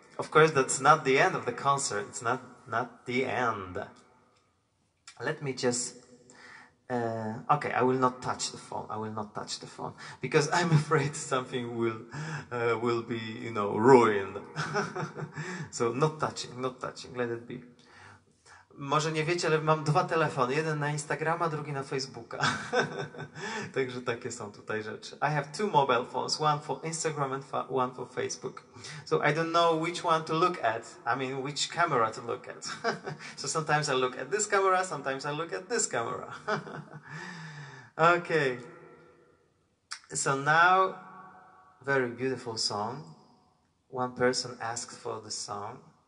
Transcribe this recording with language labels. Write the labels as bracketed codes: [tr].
[en] Of course, that's not the end of the concert. It's not the end. Let me just okay, I will not touch the phone. I will not touch the phone because I'm afraid something will be, you know, ruined. So not touching. Let it be. [pl] Może nie wiecie, ale mam dwa telefony. Jeden na Instagrama, drugi na Facebooka. Także takie są tutaj rzeczy. [en] I have two mobile phones, one for Instagram and one for Facebook. So I don't know which one to look at. I mean, which camera to look at. So sometimes I look at this camera, sometimes I look at this camera. Okay. So now, very beautiful song. One person asked for the song.